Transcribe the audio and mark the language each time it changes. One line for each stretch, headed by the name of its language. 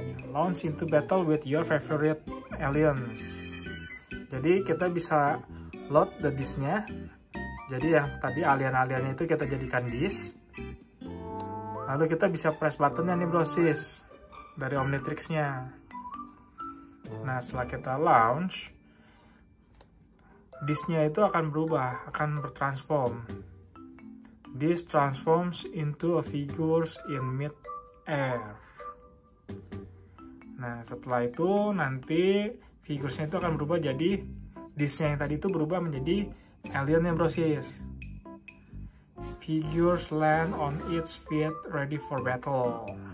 English: Launch into battle with your favorite aliens.
Indonesian: Jadi kita bisa load the disc-nya. Jadi yang tadi alien-aliennya itu kita jadikan disc. Lalu kita bisa press button-nya nih brosis dari Omnitrix-nya. Nah, setelah kita launch, disc-nya itu akan berubah, akan bertransform.
English: This transforms into a figures in mid air.
Indonesian: Nah, setelah itu nanti figures-nya itu akan berubah jadi disc-nya yang tadi itu berubah menjadi alien-nya brosis.
English: Figures land on its feet ready for battle.